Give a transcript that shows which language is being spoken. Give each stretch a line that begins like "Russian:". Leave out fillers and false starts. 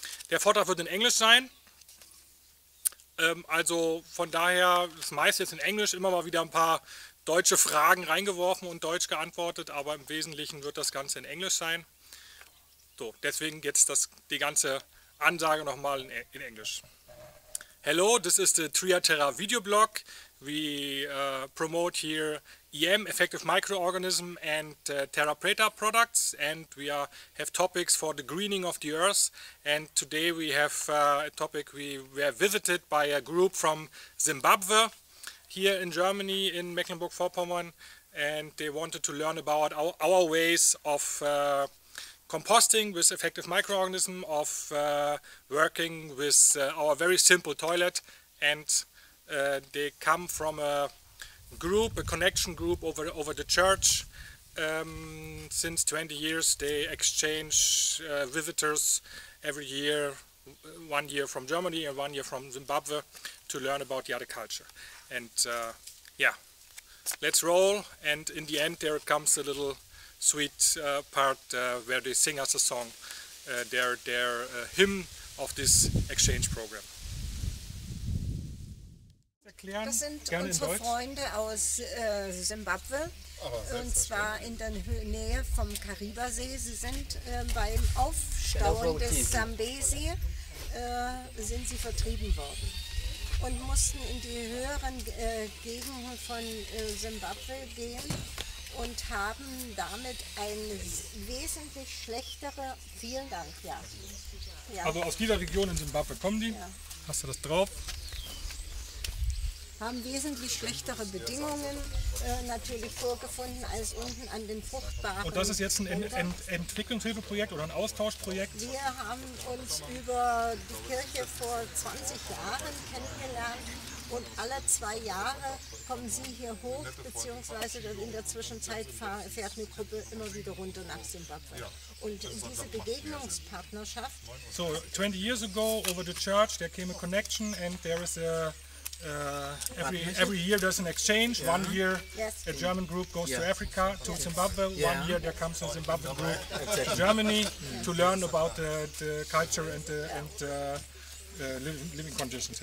German: Der Vortrag wird in Englisch sein. Also von daher, das meiste jetzt in Englisch, immer mal wieder ein paar deutsche Fragen reingeworfen und deutsch geantwortet, aber im Wesentlichen wird das Ganze in Englisch sein. So, deswegen jetzt die ganze Ansage nochmal in Englisch.
English: Hello, this is the TriaTerra-Videoblog. We promote here EM-Effektive Mikroorganismen and Terra Preta-Products and we have topics for the greening of the earth and today we have a topic. We were visited by a group from Zimbabwe here in Germany in Mecklenburg-Vorpommern and they wanted to learn about our ways of composting with effective microorganisms, of working with our very simple toilet, and they come from a connection group over the church. Since 20 years they exchange visitors every year, 1 year from Germany and 1 year from Zimbabwe, to learn about the other culture. And yeah, let's roll, and in the end there comes a little sweet part where they sing us a song, their hymn of this exchange program.
German: Das sind unsere Freunde aus Simbabwe, und zwar in der Nähe vom Karibasee. Sie sind beim Aufstauen des Zambezi sind sie vertrieben worden und mussten in die höheren Gegenden von Simbabwe gehen und haben damit ein wesentlich schlechtere. Vielen Dank, ja. Also aus dieser Region in Simbabwe kommen die. Ja. Hast du das drauf? Haben wesentlich schlechtere Bedingungen natürlich vorgefunden als unten an den fruchtbaren. Und das ist jetzt ein Entwicklungshilfeprojekt oder ein Austauschprojekt? Wir haben uns über die Kirche vor 20 Jahren kennengelernt und alle 2 Jahre kommen sie hier hoch, beziehungsweise in der Zwischenzeit fährt eine Gruppe immer wieder runter nach Simbabwe. Und diese Begegnungspartnerschaft.
English: So, 20 years ago over the church there came a connection and there is a. Every year there's an exchange. Yeah. 1 year a German group goes to Africa, to Zimbabwe. Yeah. 1 year there comes a Zimbabwe group to Germany to learn about the culture and living conditions.